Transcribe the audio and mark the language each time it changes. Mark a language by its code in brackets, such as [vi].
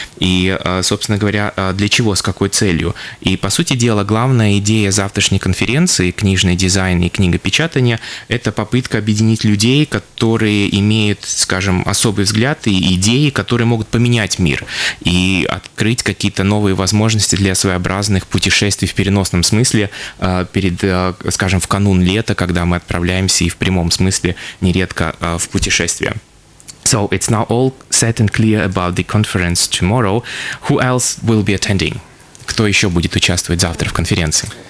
[ru] И, собственно говоря, для чего, с какой целью. И, по сути дела, главная идея завтрашней конференции «Книжный дизайн и книгопечатание» — это попытка объединить людей, которые имеют, скажем, особый взгляд и идеи, которые могут поменять мир и открыть какие-то новые возможности для своеобразных путешествий в переносном смысле перед, скажем, в канун лета, когда мы отправляемся и в прямом смысле нередко в путешествие. [en] So it's now all set and clear about the conference tomorrow. Who else will be attending? [ru] Кто еще будет участвовать завтра в конференции?